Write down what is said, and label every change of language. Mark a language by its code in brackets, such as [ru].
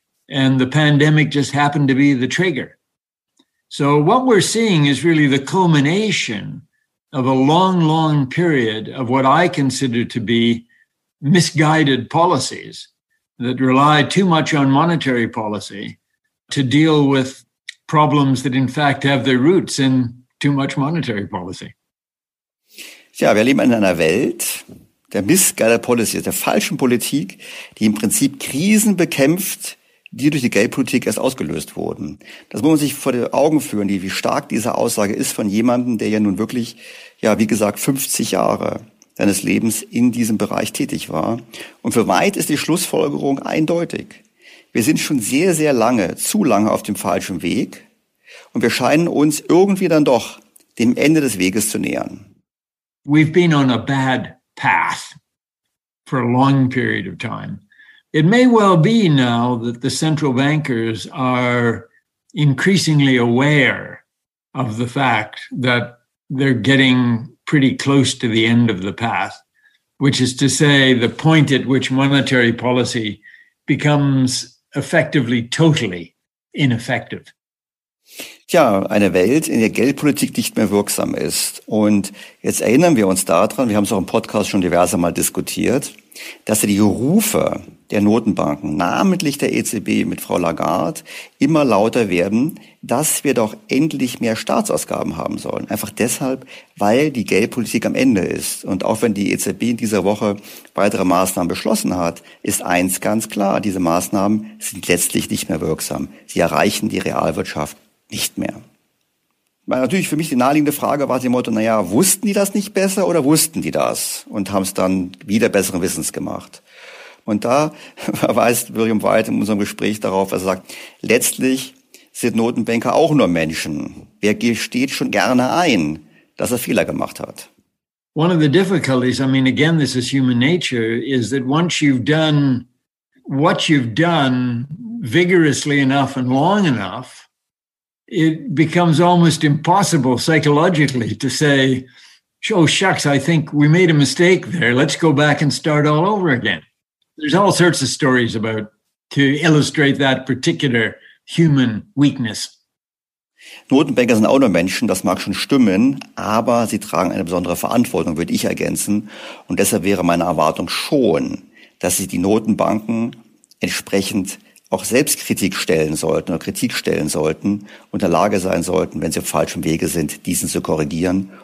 [en] And the pandemic just happened to be the trigger. So what we're seeing is really the culmination of a long, long period of what I consider to be misguided policies that rely too much on monetary policy to deal with problems that in fact have their roots in too much monetary policy. [de] Ja, wir leben in einer Welt, der [en] missguided policy, [de] der falschen Politik, die im Prinzip Krisen bekämpft, die durch die Geldpolitik erst ausgelöst wurden. Das muss man sich vor die Augen führen, wie stark diese Aussage ist von jemandem, der ja nun wirklich, ja, wie gesagt, 50 Jahre seines Lebens in diesem Bereich tätig war. Und für White ist die Schlussfolgerung eindeutig. Wir sind schon sehr, sehr lange, zu lange auf dem falschen Weg und wir scheinen uns irgendwie dann doch dem Ende des Weges zu nähern. [en] We've been on a bad path for a long period of time. It may well be now that the central bankers are increasingly aware of the fact that they're getting pretty close to the end of the path, which is to say the point at which monetary policy becomes effectively totally ineffective. [de] Tja, eine Welt, in der Geldpolitik nicht mehr wirksam ist. Und jetzt erinnern wir uns daran, wir haben es auch im Podcast schon diverse Mal diskutiert, dass die Rufe der Notenbanken, namentlich der EZB mit Frau Lagarde, immer lauter werden, dass wir doch endlich mehr Staatsausgaben haben sollen. Einfach deshalb, weil die Geldpolitik am Ende ist. Und auch wenn die EZB in dieser Woche weitere Maßnahmen beschlossen hat, ist eins ganz klar, diese Maßnahmen sind letztlich nicht mehr wirksam. Sie erreichen die Realwirtschaft nicht mehr. Weil natürlich für mich die naheliegende Frage war dem Motto, naja, wussten die das nicht besser oder wussten die das und haben es dann wieder besseren Wissens gemacht? Und da verweist William White in unserem Gespräch darauf, er sagt, letztlich sind Notenbanker auch nur Menschen. Wer gesteht schon gerne ein, dass er Fehler gemacht hat? [en] One of the difficulties, I mean, again, this is human nature, is that once you've done what you've done vigorously enough and long enough, it becomes almost impossible psychologically to say, oh, shucks, I think we made a mistake there. Let's go back and start all over again. There's all sorts of stories about to illustrate that particular human weakness. [de] Notenbanker sind auch nur Menschen, das mag schon stimmen, aber sie tragen eine besondere Verantwortung, würde ich ergänzen. Und deshalb wäre meine Erwartung schon, dass sie die Notenbanken entsprechend auch Selbstkritik stellen sollten oder Kritik stellen sollten und in der Lage sein sollten, wenn sie auf falschem Wege sind, diesen zu korrigieren.